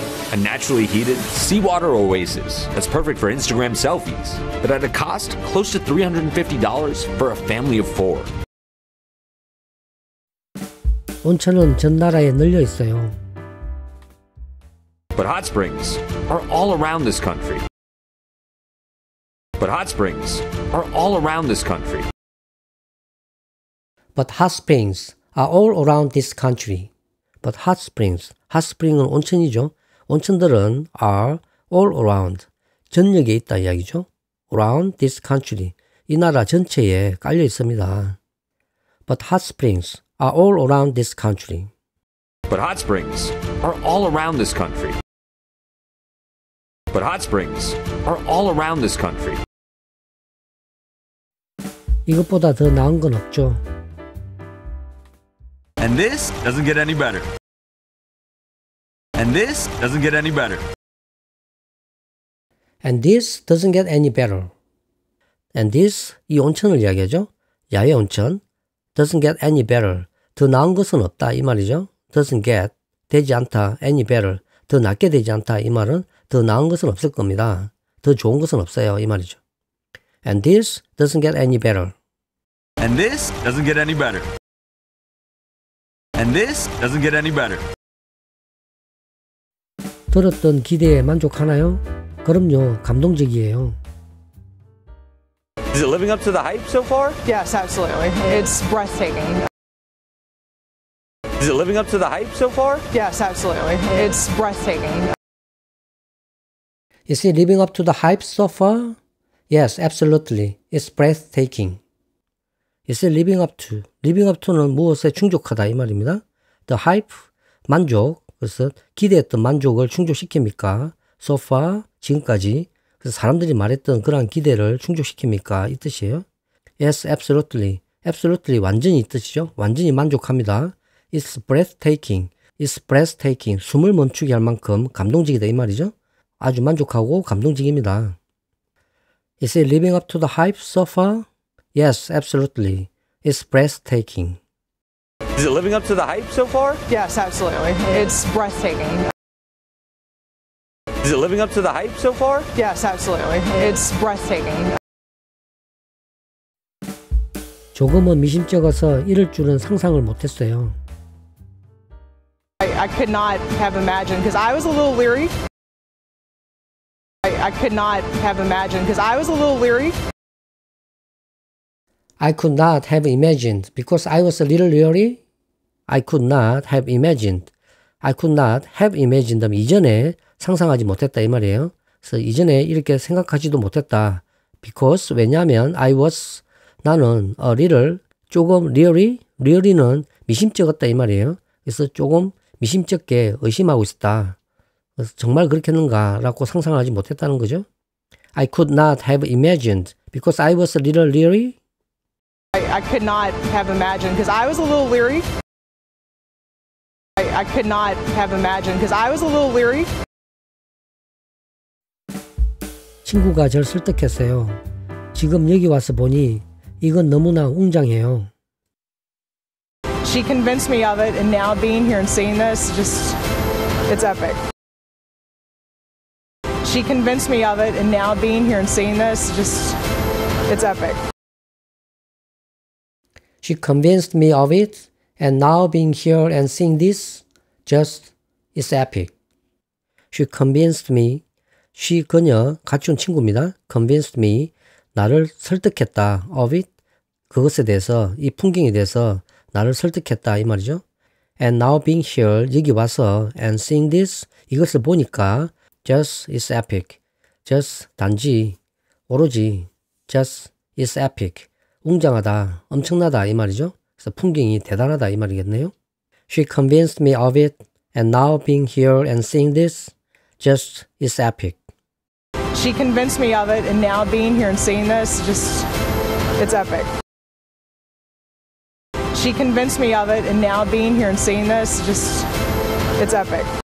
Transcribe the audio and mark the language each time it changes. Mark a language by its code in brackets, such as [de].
[en] A naturally heated seawater oasis that's perfect for Instagram selfies, but at a cost close to $350 for a family of four. [ko] 온천은 전 나라에 널려 있어요. [en] But hot springs are all around this country. But hot springs are all around this country. But hot springs are all around this country. But hot springs, hot spring은 [ko] 온천이죠. 온천들은 [en] are all around, [ko] 전역에 있다 이야기죠. [en] Around this country, [ko] 이 나라 전체에 깔려 있습니다. [en] But hot springs are all around this country. But hot springs are all around this country. But hot springs are all around this country. [ko] 이것보다 더 나은 건 없죠. [en] And this doesn't get any better. And this doesn't get any better. And this doesn't get any better. And this, [ko] 이 온천을 이야기하죠. 야외 온천. [en] Doesn't get any better. [ko] 더 나은 것은 없다. 이 말이죠. [en] Doesn't get, [ko] 되지 않다. [en] Any better. [ko] 더 낫게 되지 않다. 이 말은 더 나은 것은 없을 겁니다. 더 좋은 것은 없어요. 이 말이죠. [en] And this doesn't get any better. And this doesn't get any better. And this doesn't get any better. [ko] 들었던 기대에 만족하나요? 그럼요. 감동적이에요. [en] Is it living up to the hype so far? Yes, absolutely. It's breathtaking. Is it living up to the hype so far? Yes, absolutely. It's breathtaking. Is it living up to the hype so far? Yes, absolutely. It's breathtaking. Is it living up to? [ko] Living up to는 무엇에 충족하다 이 말입니다. [en] The hype, [ko] 만족. 그래서 기대했던 만족을 충족시킵니까? [en] So far, [ko] 지금까지. 그래서 사람들이 말했던 그런 기대를 충족시킵니까? 이 뜻이에요. [en] Yes, absolutely. Absolutely, [ko] 완전히 이 뜻이죠. 완전히 만족합니다. [en] It's breathtaking. It's breathtaking. [ko] 숨을 멈추게 할 만큼 감동적이다 이 말이죠. 아주 만족하고 감동적입니다. [en] Is it living up to the hype so far? Yes, absolutely. It's breathtaking. Is it living up to the hype so far? Yes, absolutely. It's breathtaking. Is it living up to the hype so far? Yes, absolutely. It's breathtaking. [ko] 조금은 미심쩍어서 이럴 줄은 상상을 못했어요. [en] I could not have imagined because I was a little leery. I could not have imagined because I was a little leery. I could not have imagined because I was a little leery. I could not have imagined. I could not have imagined. [ko] 이전에 상상하지 못했다 이 말이에요. 그래서 이전에 이렇게 생각하지도 못했다. [en] Because [ko] 왜냐하면 [en] I was [ko] 나는 [en] a little [ko] 조금 [en] really really는 [ko] 미심쩍었다 이 말이에요. 그래서 조금 미심쩍게 의심하고 있었다. 그래서 정말 그렇겠는가라고 상상하지 못했다는 거죠. [en] I could not have imagined because I was a little really. I, I could not have imagined because I was a little leery. I could not have imagined because I was a little leery. [ko] 친구가 절 설득했어요. 지금 여기 와서 보니 이건 너무나 웅장해요. [en] She convinced me of it, and now being here and seeing this, just it's epic. She convinced me of it, and now being here and seeing this, just it's epic. She convinced me of it, and now being here and seeing this, just it's epic. She convinced me. She [ko] 그녀 가춘 친구입니다. [en] Convinced me [ko] 나를 설득했다 [en] of it [ko] 그것에 대해서 이 풍경에 대해서 나를 설득했다 이 말이죠. [en] And now being here [ko] 여기 와서 [en] and seeing this [ko] 이것을 보니까 [en] just is epic. Just [ko] 단지 오로지 [en] just is epic. [ko] 웅장하다 엄청나다 이 말이죠. 그래서 풍경이 대단하다 이 말이겠네요. [en] She convinced me of it and now being here and seeing this just is epic. She convinced me of it, and now being here and seeing this, just, it's epic. She convinced me of it, and now being here and seeing this, just, it's epic.